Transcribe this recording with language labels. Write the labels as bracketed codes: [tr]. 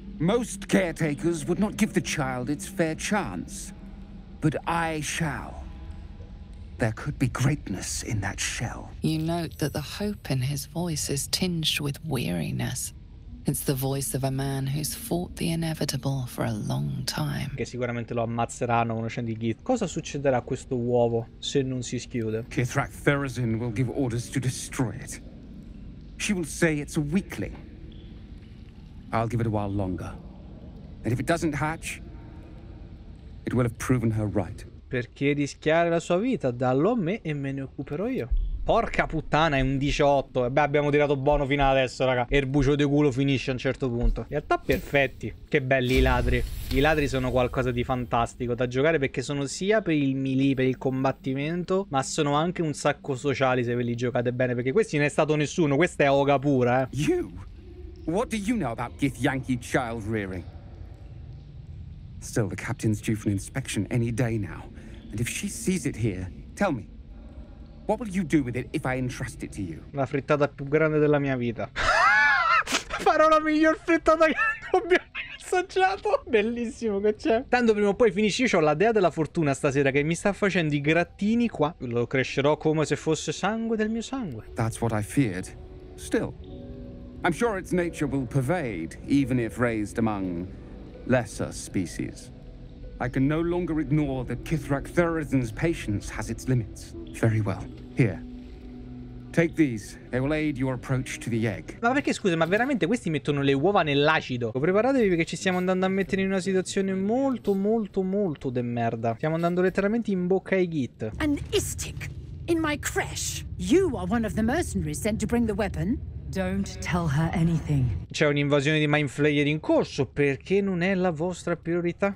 [en] Most caretakers would not give the child its fair chance, but I shall. There could be greatness in that shell. You note that the hope in his voice is tinged with weariness. It's the voice of a man who's fought the inevitable for a long time. [it] Che sicuramente lo ammazzeranno conoscendo i Geth. Cosa succederà a questo uovo se non si schiude? [en] Kithrak Therizin will give orders to destroy it. She will say it's a weakling. I'll give it a while longer. And if it doesn't hatch, it will have proven her right. [it] Perché rischiare la sua vita? Dallo a me e me ne occuperò io. Porca puttana, è un 18. E beh, abbiamo tirato buono fino adesso, raga. E il bucio di culo finisce a un certo punto. In realtà perfetti. Che belli i ladri. I ladri sono qualcosa di fantastico da giocare, perché sono sia per il melee, per il combattimento, ma sono anche un sacco sociali se ve li giocate bene. Perché questi non è stato nessuno. Questa è oga pura, eh. [en] You? What do you know about Geth Yankee child rearing? Still, the captain's due for an inspection any day now. And if she sees it here, tell me. What will you do with it if I entrust it to you? [it] La frittata più grande della mia vita. farò la miglior frittata che abbia assaggiato. Bellissimo che c'è. Tanto prima o poi finisci. Io ho la dea della fortuna stasera che mi sta facendo i grattini qua. Lo crescerò come se fosse sangue del mio sangue. [en] That's what I feared. Still, I'm sure its nature will pervade, even if raised among lesser species. I can no longer ignore that Kithrak Therizin's patience has its limits. Very well. Here. Take these. They will aid your approach to the egg. [it] Ma perché, scusa, ma veramente questi mettono le uova nell'acido? Preparatevi perché ci stiamo andando a mettere in una situazione molto, molto, molto de merda. Stiamo andando letteralmente in bocca ai git. [en] An istic in my creche. You are one of the mercenaries sent to bring the weapon. Don't tell her anything. [it] C'è un'invasione di Mind Flayer in corso, perché non è la vostra priorità?